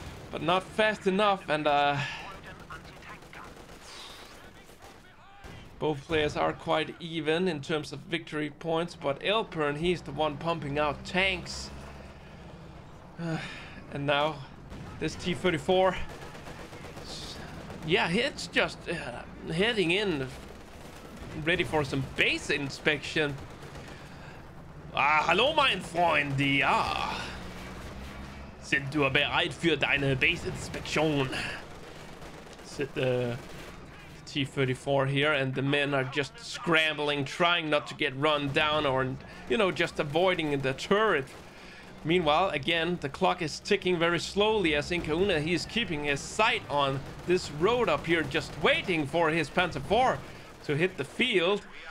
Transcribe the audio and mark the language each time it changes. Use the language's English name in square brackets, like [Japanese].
[English] But not fast enough, and both players are quite even in terms of victory points, but Elpern, he's the one pumping out tanks. And now this T-34, yeah, it's just heading in, ready for some base inspection. [German] Hallo mein Freund, sind du bereit für deine Base-Inspektion? [English] Sit the T-34 here, and the men are just scrambling, trying not to get run down, or, you know, just avoiding the turret. Meanwhile, again, the clock is ticking very slowly as IncaUna, he is keeping his sight on this road up here, just waiting for his Panzer IV to hit the field.